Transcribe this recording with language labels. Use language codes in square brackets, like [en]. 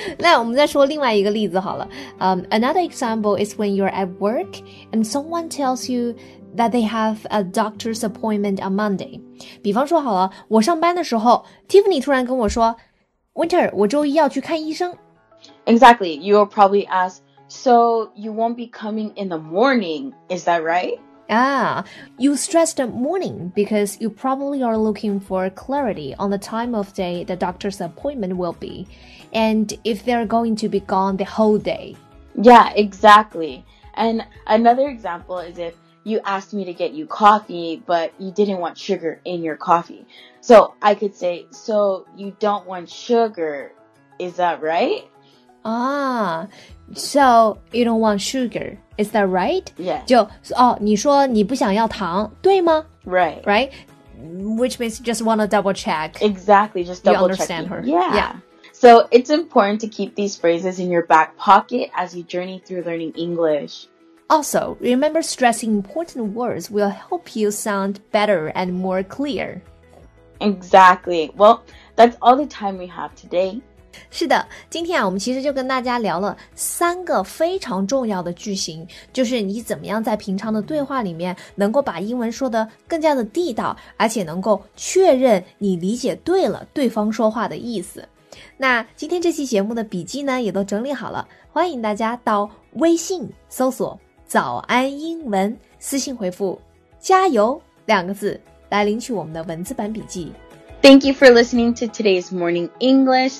[zh] 那我们再说另外一个例子好了。 [en] Another example is when you're at work and someone tells you that they have a doctor's appointment on Monday. [zh] 比方说好了，我上班的时候 ，Tiffany 突然跟我说 ，Winter， 我周一要去看医生。 [en] Exactly. You will probably ask, so you won't be coming in the morning, is that right? Ah, you stressed the morning because you probably are looking for clarity on the time of day the doctor's appointment will be, and if they're going to be gone the whole day. Yeah, exactly. And another example is if you asked me to get you coffee, but you didn't want sugar in your coffee. So I could say, so you don't want sugar, is that right? Ah, so you don't want sugar. Is that right? Yeah. [zh] 就哦，你说你不想要糖，对吗 [en] ？Right. Right. Which means you just want to double check. Exactly. Just double check. You understand her. Yeah. Yeah. So it's important to keep these phrases in your back pocket as you journey through learning English. Also, remember stressing important words will help you sound better and more clear. Exactly. Well, that's all the time we have today. [zh] 是的，今天啊，我们其实就跟大家聊了三个非常重要的句型，就是你怎么样在平常的对话里面能够把英文说得更加的地道，而且能够确认你理解对了对方说话的意思。那今天这期节目的笔记呢，也都整理好了，欢迎大家到微信搜索“早安英文”，私信回复“加油”两个字来领取我们的文字版笔记。 [en] Thank you for listening to today's Morning English.